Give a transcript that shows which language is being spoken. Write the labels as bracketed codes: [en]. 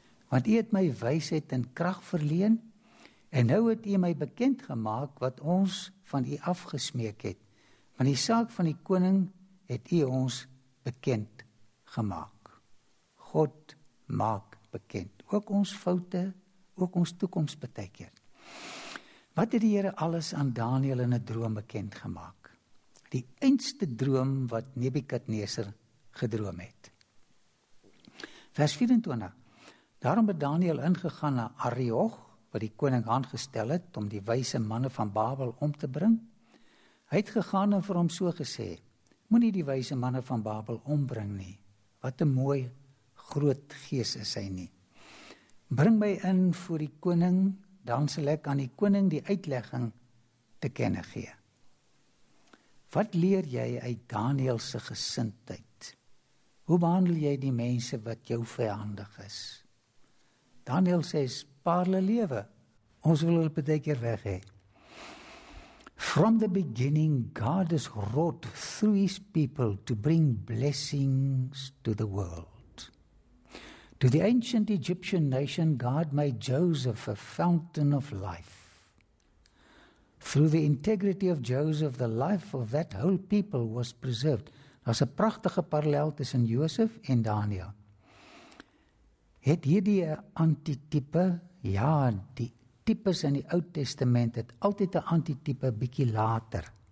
[af] Want u het my wysheid en krag verleen, en nou het u my bekend gemaak wat ons van u afgesmeek het. Want die saak van die koning het u ons bekend gemaak. God maak bekend. Ook ons foute, ook ons toekoms partykeer. Wat het die Here alles aan Daniël in 'n droom bekend gemaak? Die eindste droom wat Nebukadneser gedroom het. Vers 24. Daarom het Daniël ingegaan na Arioch, wat die koning aangestel het om die wyse manne van Babel om te bring. Hy het gegaan en vir hom so gesê: "Moenie die wyse manne van Babel ombring nie. Wat 'n mooi groot gees is hy nie. Bring my in voor die koning, dan sal ek aan die koning die uitlegging te kenne gee." Wat leer jy uit Daniël se gesindheid? Hoe behandel jy die mense wat jou vyandig is? Daniël sê, spaar hulle lewe. Ons wil hulle baie keer weg hê. [en] From the beginning, God has wrought through his people to bring blessings to the world. To the ancient Egyptian nation, God made Joseph a fountain of life. Through the integrity of Joseph, the life of that whole people was preserved. [af] Daar's 'n pragtige parallel tussen Josef en Daniël. Het hierdie 'n antitipe? Ja, die tipes in die Ou Testament het altyd 'n antitipe bietjie later.